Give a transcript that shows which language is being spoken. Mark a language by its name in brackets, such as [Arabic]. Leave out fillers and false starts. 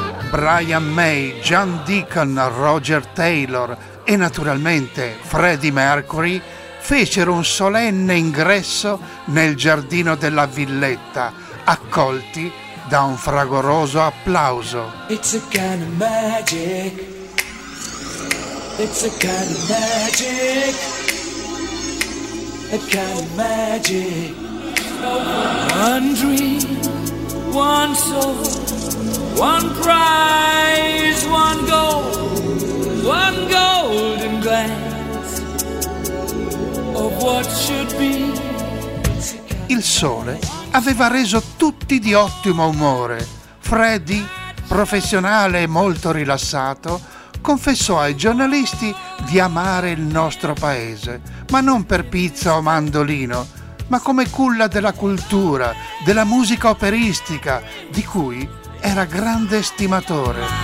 [Italian] Brian May, John Deacon, Roger Taylor e naturalmente Freddie Mercury fecero un solenne ingresso nel giardino della villetta, accolti da un fragoroso applauso. [English] It's a kind of magic. It's a kind of magic, a kind of magic. One dream, one soul, one prize, one goal, one golden glance of what should be. [Italian] Il sole aveva reso tutti di ottimo umore. Freddie, professionale e molto rilassato, confessò ai giornalisti di amare il nostro paese, ma non per pizza o mandolino, ma come culla della cultura, della musica operistica, di cui era grande estimatore.